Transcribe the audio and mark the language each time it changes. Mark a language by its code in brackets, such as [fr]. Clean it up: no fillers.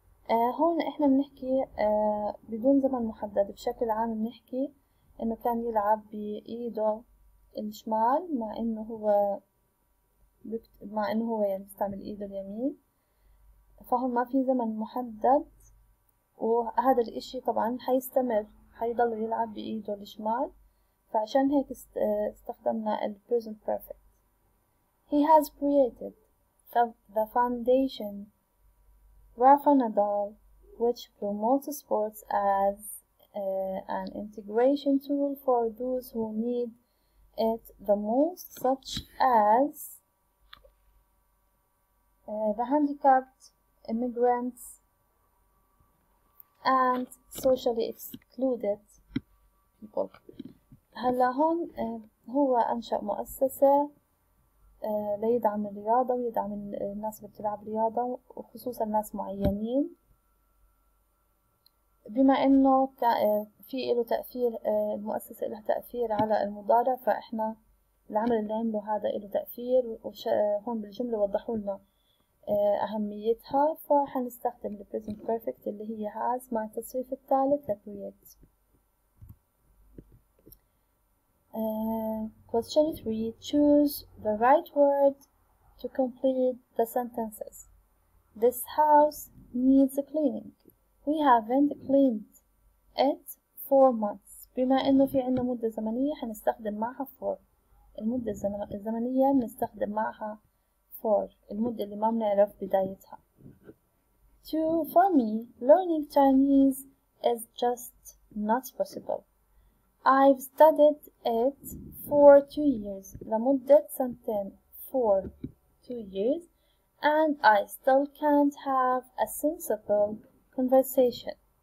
[ar] هون احنا بنحكي بدون زمن محدد، بشكل عام بنحكي انه كان يلعب بايده الشمال مع انه هو يعني يستعمل ايده اليمين، فهون ما في زمن محدد وهذا الإشي طبعا حيستمر، حيضل يلعب بإيده الشمال، فعشان هيك استخدمنا ال present perfect. [en] He has created the foundation Rafa Nadal, which promotes sports as an integration tool for those who need it the most, such as the handicapped, immigrants, and socially excluded people. [ar] هلا هون هو أنشأ مؤسسة ليدعم الرياضة ويدعم الناس اللي بتلعب رياضة، وخصوصا ناس معينين، بما انه في له تأثير، المؤسسة لها تأثير على المضارع، فإحنا العمل اللي عمله هذا له تأثير، وهون بالجملة وضحوا لنا أهميتها، فحنستخدم الـ present perfect اللي هي has مع التصريف الثالث لـ create. [en] Question 3. Choose the right word to complete the sentences. This house needs a cleaning. We haven't cleaned it for months. [ar] بما انه في عندنا مدة زمنية حنستخدم معها for. المدة الزمنية بنستخدم معها for، المدة اللي ما بنعرف بدايتها. [en] 2. For me, learning Chinese is just not possible. I've studied it for 2 years. [ar] لمدة سنتين. [en] For 2 years. And I still can't have a sensible conversation.